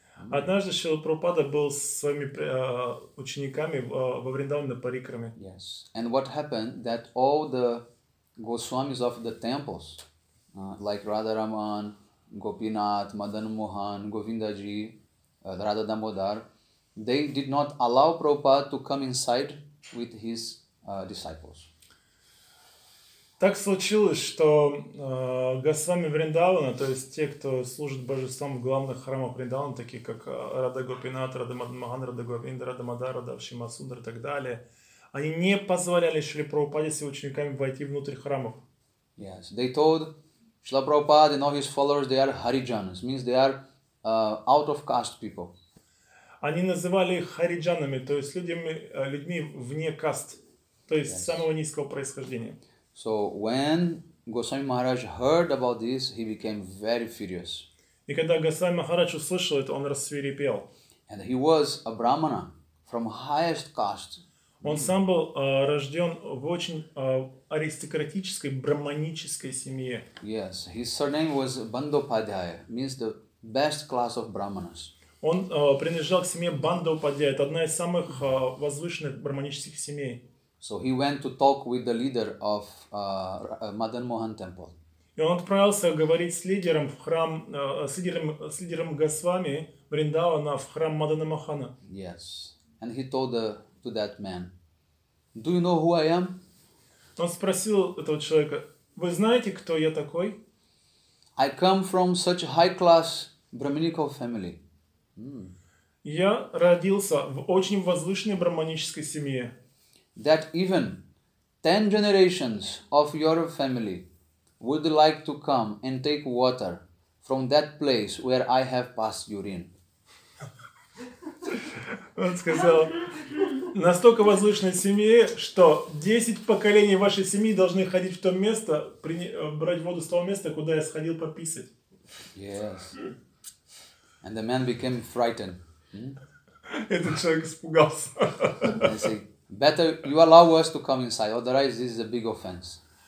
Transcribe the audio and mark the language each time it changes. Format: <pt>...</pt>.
<ru>Однажды Шрила Прабхупада был с своими учениками во Вриндаване на Парикраме.</ru> <en>Yes. And what happened that all the Goswamis of the temples, like Radharaman, Gopinath, Madan Mohan, Govindaji, Radha Damodar, they did not allow Prabhupada to come inside with his disciples.</en> <ru>Так случилось, что Госвами Вриндавана, то есть те, кто служит божествам в главных храмах Вриндавана, такие как Рада Гопинат, Рада Мадмаган, Рада Говинда, Рада Мадара, Рада Шимасундра и так далее, они не позволяли Шри Прабхупаде с его учениками войти внутрь храмов.</ru> <en>Yes, they told Шри Прабхупада and all his followers they are Hariджанас, means they are out of caste people.</en> <ru>Они называли их Хариджанами, то есть людьми вне каст, то есть самого низкого происхождения.</ru> <en>So when Goswami Maharaj heard about this, he became very furious.</en> <ru>И когда Госвами Махарадж услышал это, он рассвирепел.</ru> <en>And he was a brahmana from highest caste.</en> <ru>Он сам был рожден в очень аристократической брахманической семье.</ru> <en>Yes, his surname was Bandopadhyaya, means the best class of brahmanas.</en> <ru>Он принадлежал к семье Бандопадхяя, это одна из самых возвышенных брахманических семей.</ru> <en>So he went to talk with the leader of Madan Mohan Temple.</en> <ru>И он отправился говорить с лидером в храм, с лидером Госвами Вриндавана в храм Мадана Махана.</ru> <en>Yes, and he told to that man, "Do you know who I am?"</en> <ru>Он спросил этого человека: "Вы знаете, кто я такой?"</ru> <en>I come from such high-class brahminical family.</en> <ru>Я родился в очень возвышенной брахманической семье.</ru> <en>That even 10 generations of your family would like to come and take water from that place where I have passed urine.</en> <ru>Он сказал, настолько возвышенной семье, что 10 поколений вашей семьи должны ходить в то место, брать воду с того места, куда я сходил пописать.</ru> <en>Yes. And the man became frightened.</en> <ru>Этот человек испугался.</ru> <en>Better you allow us to come inside, otherwise this is a big offense.</en>